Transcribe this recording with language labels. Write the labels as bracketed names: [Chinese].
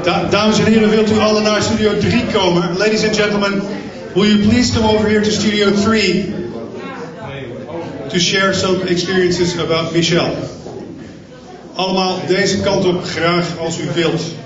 [Dutch] Dames en heren, wilt u alle naar Studio 3 komen? [English] Ladies and gentlemen, will you please come over here to Studio 3 to share some experiences about Michel? [Dutch] Allemaal deze kant op, graag als u wilt.